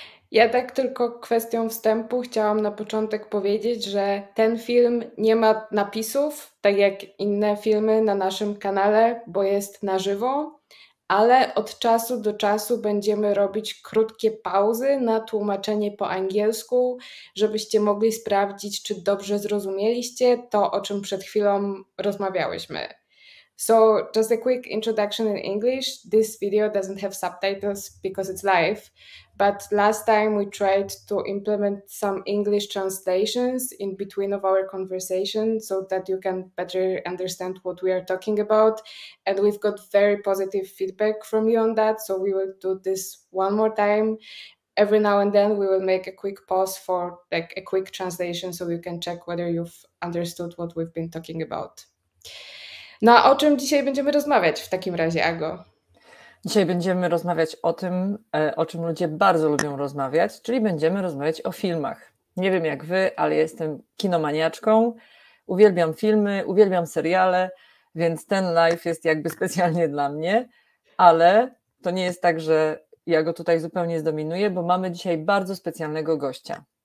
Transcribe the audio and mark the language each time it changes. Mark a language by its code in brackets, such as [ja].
[pl] Ja tak tylko kwestią wstępu chciałam na początek powiedzieć, że ten film nie ma napisów, tak jak inne filmy na naszym kanale, bo jest na żywo, ale od czasu do czasu będziemy robić krótkie pauzy na tłumaczenie po angielsku, żebyście mogli sprawdzić, czy dobrze zrozumieliście to, o czym przed chwilą rozmawiałyśmy. [en] So, just a quick introduction in English. This video doesn't have subtitles because it's live. But last time we tried to implement some English translations in between of our conversation so that you can better understand what we are talking about. And we've got very positive feedback from you on that. So we will do this one more time. Every now and then we will make a quick pause for like a quick translation so you can check whether you've understood what we've been talking about. [pl] No, o czym dzisiaj będziemy rozmawiać w takim razie, Ago? Dzisiaj będziemy rozmawiać o tym, o czym ludzie bardzo lubią rozmawiać, czyli będziemy rozmawiać o filmach. Nie wiem jak wy, ale jestem kinomaniaczką, uwielbiam filmy, uwielbiam seriale, więc ten live jest jakby specjalnie dla mnie, ale to nie jest tak, że ja go tutaj zupełnie zdominuję, bo mamy dzisiaj bardzo specjalnego gościa.